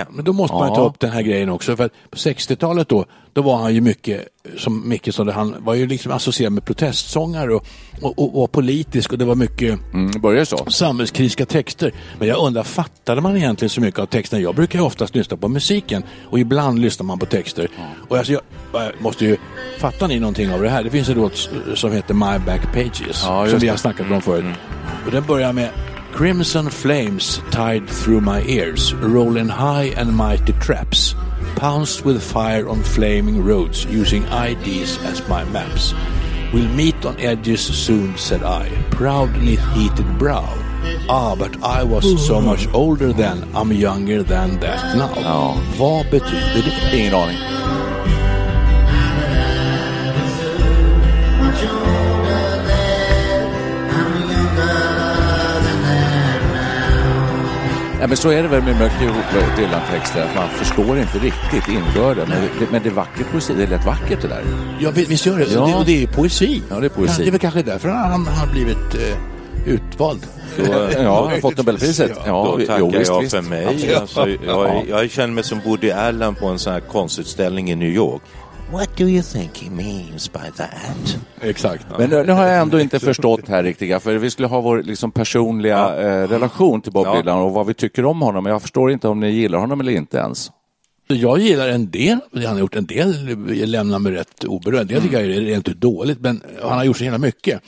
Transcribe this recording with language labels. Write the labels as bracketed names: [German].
[Swedish] Men då måste man ta upp den här grejen också, för att på 60-talet då var han ju mycket, som Micke sa, han var ju liksom associerad med protestsångar och politisk, och det var mycket började så. Samhällskritiska texter. Men jag undrar, fattade man egentligen så mycket av texten? Jag brukar ju oftast lyssna på musiken och ibland lyssnar man på texter. Mm. Och alltså, jag måste ju, fattar ni någonting av det här? Det finns en låt som heter My Back Pages, som vi har snackat om förut. [English] Och den börjar med: Crimson flames tied through my ears, rolling high and mighty traps, pounced with fire on flaming roads, using IDs as my maps. We'll meet on edges soon, said I, proudly heated brow. Ah, but I was so much older then, I'm younger than that now. No. [Swedish] Vad betyder det? Ingen aning. Mm. Nej, men så är det väl med mycket Dylan-texter, att man förstår inte riktigt innebörden. Men det är vacker poesi, det är lätt vackert det där. Ja, visst gör det. Ja. Det är poesi. Ja, det är poesi. Det är väl kanske därför han har blivit utvald. Ja, jag har fått Nobelpriset. Ja, då tackar jag för mig. Alltså, jag känner mig som Woody Allen på en sån här konstutställning i New York. [English] What do you think he means by that? [Swedish] Exakt. Men nu har jag ändå inte förstått här riktiga. För vi skulle ha vår liksom personliga relation till Bob Dylan och vad vi tycker om honom. Jag förstår inte om ni gillar honom eller inte ens. Jag gillar en del. Han har gjort en del. Jag lämnar mig rätt oberörd. Jag tycker det är inte dåligt, men han har gjort så himla mycket.